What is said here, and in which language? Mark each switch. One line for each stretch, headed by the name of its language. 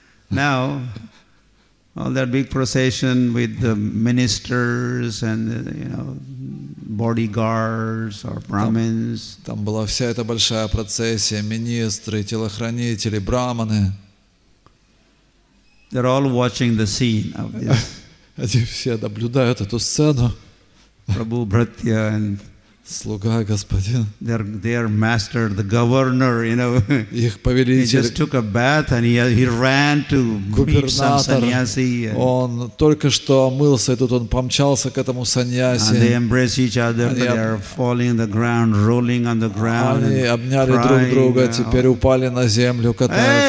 English: Now all that big procession with the ministers and bodyguards or brahmins,
Russian: там была вся эта большая процессия, министры, телохранители, брахманы,
English: they're all watching the scene of this.
Russian: Они все наблюдают эту сцену.
English: Prabhu Bhratya and
Russian: слуга господин.
English: Their master, the governor,
Russian: Их повелитель.
English: He just took a bath and he ran to meet some sannyasi.
Russian: Он только что омылся, и тут он помчался к этому санньяси.
English: And they embrace each other, but they are falling on the ground, rolling on the ground.
Russian: Они обняли друг друга, теперь упали на землю, катаются.